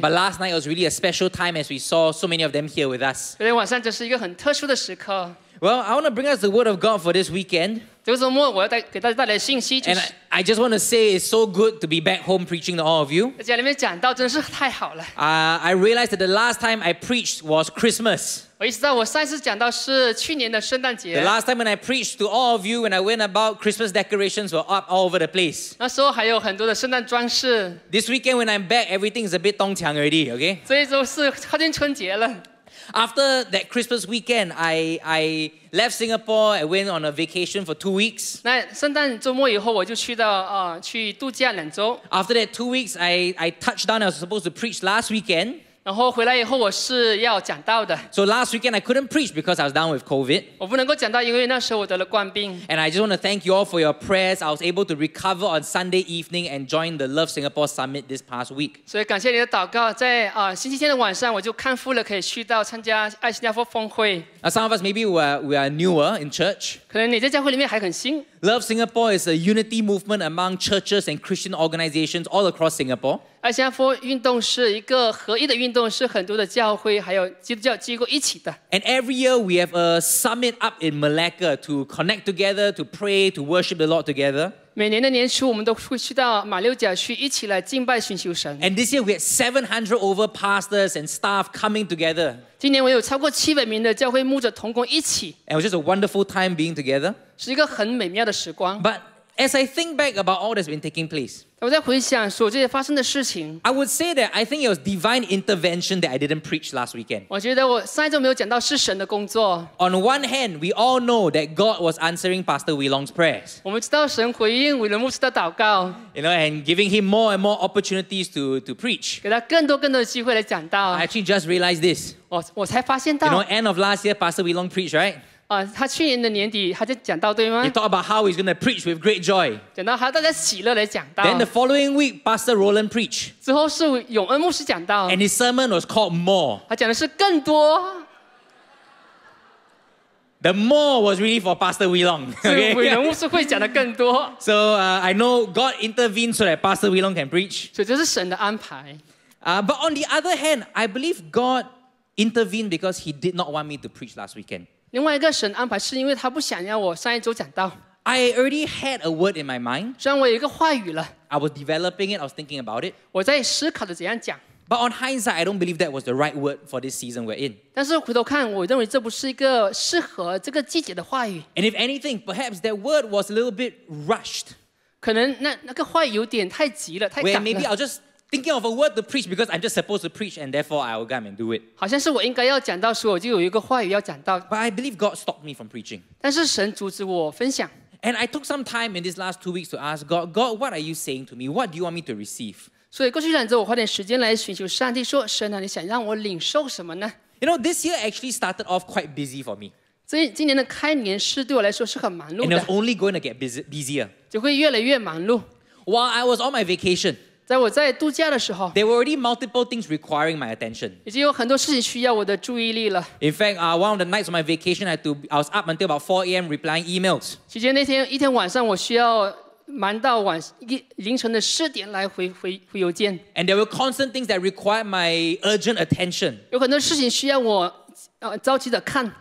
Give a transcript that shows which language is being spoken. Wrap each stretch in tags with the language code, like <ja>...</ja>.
<en>But last night was really a special time as we saw so many of them here with us.</en> <zh>昨天晚上这是一个很特殊的时刻。</zh> <en>Well, I want to bring us the word of God for this weekend.</en> <zh>这个周末我要带给大家带来信息就是。</zh> <en>And I just want to say it's so good to be back home preaching to all of you.</en> <zh>在家里面讲道真的是太好了。</zh> <en>I realized that the last time I preached was Christmas.</en> <zh>我意识到我上次讲到是去年的圣诞节。</zh> <en>The last time when I preached to all of you when I went about Christmas decorations were up all over the place.</en> <zh>那时候还有很多的圣诞装饰。</zh> <en>This weekend when I'm back, everything is a bit</en> <zh>东墙</zh> <en>already, okay?</en> <zh>这一周是靠近春节了。</zh> <en>After that Christmas weekend, I left Singapore. I went on a vacation for 2 weeks.</en> <zh>那圣诞周末以后，我就去到啊、去度假两周。</zh> <en>After that 2 weeks, I touched down. I was supposed to preach last weekend.</en> <zh>然后回来以后我是要讲道的。</zh> <en>So last weekend I couldn't preach because I was down with COVID.</en> <zh>我不能够讲道，因为那时候我得了冠病。</zh> <en>And I just want to thank you all for your prayers. I was able to recover on Sunday evening and join the Love Singapore Summit this past week.</en> <zh>所以感谢你的祷告，在啊、星期天的晚上我就康复了，可以去到参加爱新加坡峰会。</zh> <en>Now some of us maybe we are newer in church.</en> <zh>可能你在教会里面还很新。</zh> <en>Love Singapore is a unity movement among churches and Christian organizations all across Singapore.</en> <zh>爱新加坡运动是一个合一的运动，是很多的教会还有基督教机构一起的。</zh> <en>And every year we have a summit up in Malacca to connect together, to pray, to worship the Lord together.</en> <zh>每年的年初我们都会去到马六甲去一起来敬拜寻求神。</zh> <en>And this year we had 700 over pastors and staff coming together.</en> <zh>今年我有超过700名的教会牧者同工一起。</zh> <en>And it was just a wonderful time being together.</en> <zh>是一个很美妙的时光。</zh> <en>But as I think back about all that's been taking place,</en> <zh>我在回想说这些发生的事情。</zh> <en>I would say that I think it was divine intervention that I didn't preach last weekend.</en> <zh>我觉得我上一周没有讲到是神的工作。</zh> <en>On one hand, we all know that God was answering Pastor Weilong's prayers.</en> <zh>我们知道神回应伟伦牧师的祷告。</zh> <en>You know, and giving him more and more opportunities to preach.</en> <zh>给他更多更多的机会来讲道。</zh> <en>I actually just realized this.</en> <zh>我才发现到。</zh> <en>You know, end of last year, Pastor Weilong preached, right?</en> <zh>他去年的年底他在讲道对吗</zh> <en>He talked about how he's going to preach with great joy.</en> <zh>讲到他带着喜乐来讲道</zh> <en>Then the following week, Pastor Roland preached.</en> <zh>之后是永恩牧师讲道</zh> <en>And his sermon was called More.</en> <zh>他讲的是更多</zh> <en>The more was really for Pastor Weilong.</en> <zh>所以伟伦牧师会讲的更多</zh> <en>So I know God intervened so that Pastor Weilong can preach.</en> <zh>所以这是神的安排</zh> <en>But on the other hand, I believe God intervened because he did not want me to preach last weekend.</en> <zh>另外一个神安排是因为他不想要我上一周讲道</zh> <en>I already had a word in my mind</en> <zh>虽然我有一个话语了</zh> <en>I was developing it, I was thinking about it</en> <zh>我在思考着怎样讲</zh> <en>But on hindsight, I don't believe that was the right word for this season we're in</en> <zh>但是回头看我认为这不是一个适合这个季节的话语</zh> <en>And if anything, perhaps that word was a little bit rushed</en> <zh>可能 那个话语有点太急了太赶了</zh> <en>Where maybe I'll justThinking of a word to preach because I'm just supposed to preach and therefore I will come and do it.</en> <zh>好像是我应该要讲到时候我就有一个话语要讲到。</zh> <en>But I believe God stopped me from preaching.</en> <zh>但是神阻止我分享。</zh> <en>And I took some time in these last 2 weeks to ask God, God, what are you saying to me? What do you want me to receive?</en> <zh>所以过去两周我花点时间来寻求上帝说神啊你想让我领受什么呢</zh> <en>You know, this year actually started off quite busy for me.</en> <zh>今年的开年是对我来说是很忙碌的。</zh> <en>And it's only going to get busier.</en> <zh>就会越来越忙碌。</zh> <en>While I was on my vacation,</en> <zh>在我在度假的时候</zh> <en>There were already multiple things requiring my attention.</en> <zh>已经有很多事情需要我的注意力了</zh> <en>In fact, one of the nights of my vacation, I was up until about 4 a.m. replying emails.</en> <zh>期间那天一天晚上我需要忙到晚凌晨的四点来回邮件</zh> <en>And there were constant things that required my urgent attention.</en> <zh>有很多事情需要我着急的看</zh>